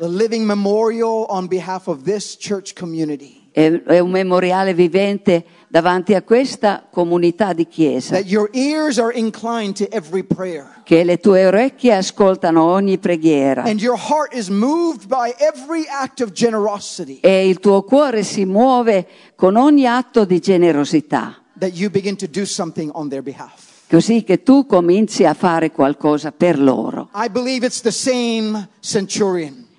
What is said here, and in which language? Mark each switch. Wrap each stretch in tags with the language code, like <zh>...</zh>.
<en>the living memorial on behalf of this church community.</en> <it>È un memoriale vivente davanti a questa comunità di chiesa.</it> <en>That your ears are inclined to every prayer.</en> <it>Che le tue orecchie ascoltano ogni preghiera.</it> <en>And your heart is moved by every act of generosity.</en> <it>E il tuo cuore si muove con ogni atto di generosità.</it> <en>That you begin to do something on their behalf.</en> <it>Così che tu cominci a fare qualcosa per loro.</it> <en>I believe it's the same centurion.</en>